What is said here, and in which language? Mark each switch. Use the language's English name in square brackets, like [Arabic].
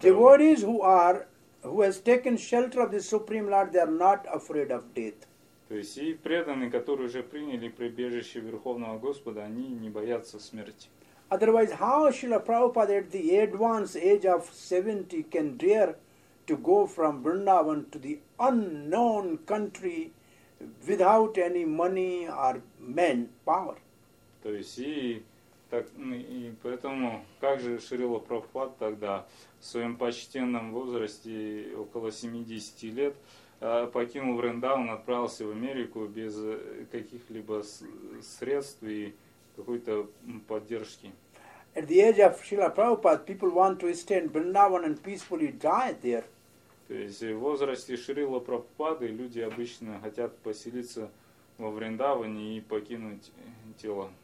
[English] Devotees who has taken shelter of the Supreme Lord, they are not afraid of death. [Russian] То есть и преданные, которые уже приняли прибежище Верховного Господа, они не боятся смерти. [English] Otherwise, how Srila Prabhupada at the advanced age of 70 can dare to go from Vrindavan to the unknown country without any money or manpower? [Russian] То есть Так, и поэтому, как же Шрила Прабхупада тогда в своем почтенном возрасте, около 70 лет, покинул Вриндаван, отправился в Америку без каких-либо средств и какой-то поддержки? [English] At the age of Srila Prabhupada, people want to stay in Vrindavan and peacefully die there. [Russian] То есть в возрасте Шрила Прабхупады люди обычно хотят поселиться во Вриндаване и покинуть тело.